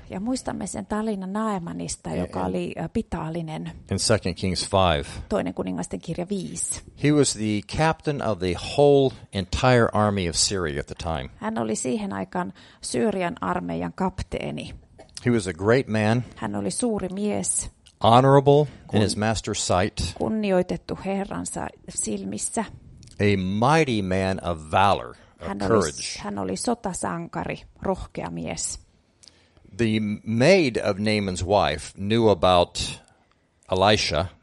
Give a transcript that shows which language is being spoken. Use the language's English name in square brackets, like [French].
[Finnish] Ja muistamme sen tarinan Naamanista, joka oli pitaallinen. [English] In 2 Kings 5. [Finnish] Toinen kuningasten kirja 5. [English] He was the captain of the whole entire army of Syria at the time. [Finnish] Hän oli siihen aikaan Syyrian armeijan kapteeni. [English] He was a great man. [Finnish] Hän oli suuri mies. [English] Honorable in his master's sight. [Finnish] Kunnioitettu herransa silmissä. [English] A mighty man of valor. [Finnish] Hän oli sotasankari, rohkea mies. [English] The maid of Naaman's wife knew about Elisha.